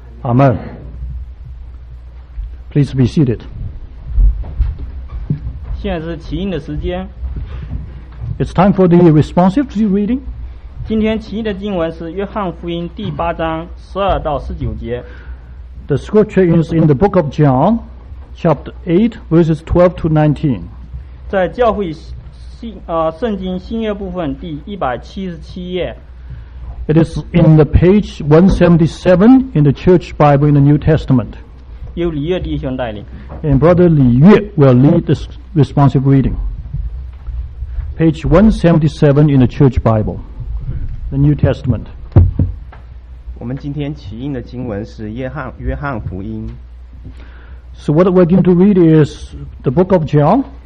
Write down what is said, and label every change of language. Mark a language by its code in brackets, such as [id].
[zh] 阿们。 [en] Please be seated. [zh] 现在是起应的时间。 [en] It's time for the responsive reading. [zh] 今天起应的经文是约翰福音第八章十二到十九节。 [en] The scripture is in the book of John, chapter 8, verses 12 to 19. [zh] 在教会圣经新约部分第177页。 [en] It is in the page 177 in the Church Bible in the New Testament. [zh] 由李月弟兄带领。 [en] And Brother 李月 will lead this responsive reading. Page 177 in the Church Bible, the New Testament. [zh] 我们今天起应的经文是约翰福音。 [en] So what we're going to read is the book of John.